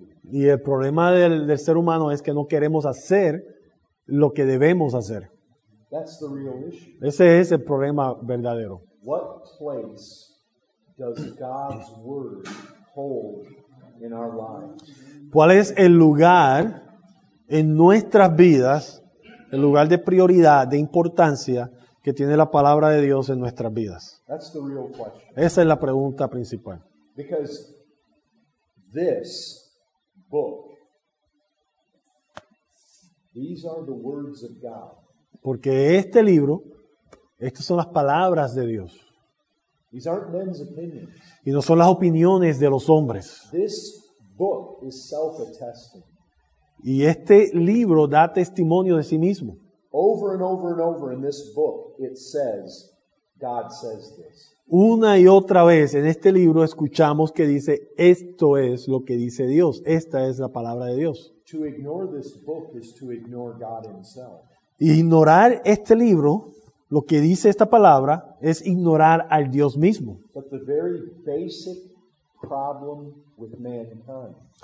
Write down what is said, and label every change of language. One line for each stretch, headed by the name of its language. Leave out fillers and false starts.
Spanish: Y el problema del ser humano es que no queremos hacer lo que debemos hacer.
English: That's the real issue.
Spanish: Ese es el problema verdadero.
English: What place does God's word hold in our lives?
Spanish: ¿Cuál es el lugar en nuestras vidas, el lugar de prioridad, de importancia que tiene la palabra de Dios en nuestras vidas?
English: That's the real question.
Spanish: Esa es la pregunta principal.
English: Because this book, these are the words of God.
Spanish: Porque este libro, estas son las palabras de Dios.
English: These aren't men's opinions.
Spanish: Y no son las opiniones de los hombres.
English: This book is self-attesting.
Spanish: Y este libro da testimonio de sí mismo.
English: Over and over and over in this book, it says, God says this.
Spanish: Una y otra vez en este libro escuchamos que dice, esto es lo que dice Dios, esta es la palabra de Dios.
English: To ignore this book is to ignore God himself.
Spanish: Ignorar este libro, lo que dice esta palabra, es ignorar al Dios mismo.
English: But the very basic problem with mankind.